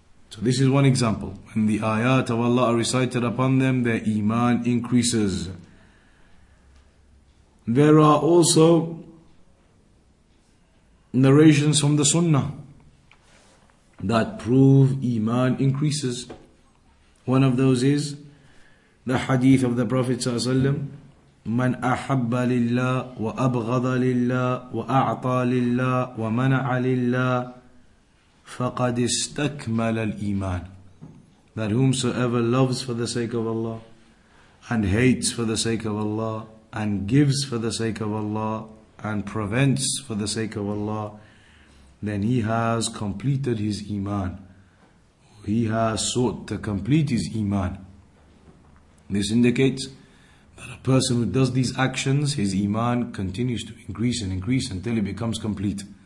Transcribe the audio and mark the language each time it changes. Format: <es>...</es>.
<en>So this is one example. When the ayat of Allah are recited upon them, their iman increases. There are also narrations from the Sunnah that prove iman increases. One of those is the hadith of the Prophet ﷺ,</en> <ar>من أحب لله وأبغض لله وأعطى لله ومنع لله فقد استكمل الإيمان.</ar> <en>That whomsoever loves for the sake of Allah and hates for the sake of Allah and gives for the sake of Allah and prevents for the sake of Allah, then he has completed his iman. He has sought to complete his iman. This indicates that a person who does these actions, his iman continues to increase and increase until it becomes complete.</en>